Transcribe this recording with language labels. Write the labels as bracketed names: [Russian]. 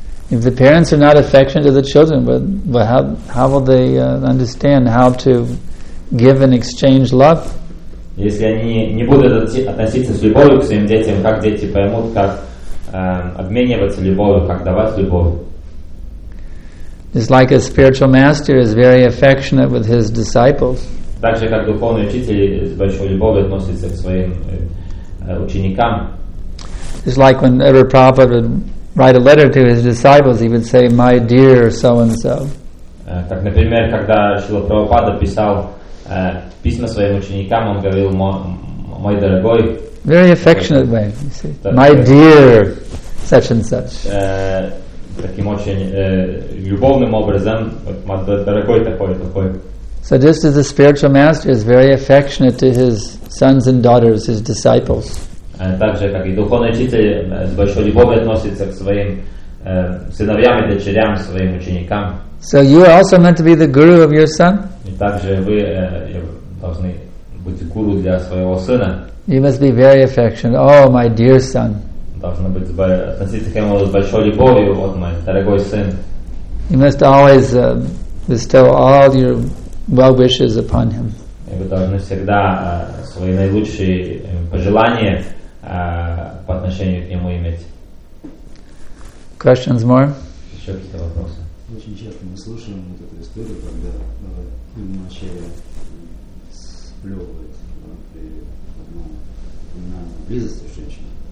[English] If the parents are not affectionate to the children, but how will they understand how to give and exchange love? [Russian] Если они не будут относиться с любовью к своим детям, как дети поймут, как обмениваться любовью, как давать любовь? [English] It's like a spiritual master is very affectionate with his disciples. [Russian] Так же, как духовный учитель с большой любовью относится к своим ученикам. [English] It's like whenever Prabhupada would write a letter to his disciples, he would say, "My dear so and so." [Russian] Как, например, когда Шрила Прабхупада писал письма своим ученикам, он говорил, мой дорогой. [English] Very affectionate way, you see. My dear such and such. [Russian] Таким очень любовным образом, дорогой такой. [English] So just as the spiritual master is very affectionate to his sons and daughters, his disciples. [Russian] Так же, как и духовный учитель с большой любовью относится к своим сыновьям и дочерям, своим ученикам. [English] So you are also meant to be the guru of your son? [Russian] И также вы должны быть гуру для своего сына. [English] You must be very affectionate. Oh, my dear son. [Russian] Должно быть относиться к нему с большой любовью, вот мой дорогой сын. [English] You must always bestow all your well wishes upon him. [Russian] И вы должны всегда свои наилучшие пожелания по отношению к нему иметь. [English] Questions more? [Russian] Еще какие-то вопросы? Очень часто мы слушаем вот эту историю, когда Ачарья сплевывает при упоминании близости с женщиной.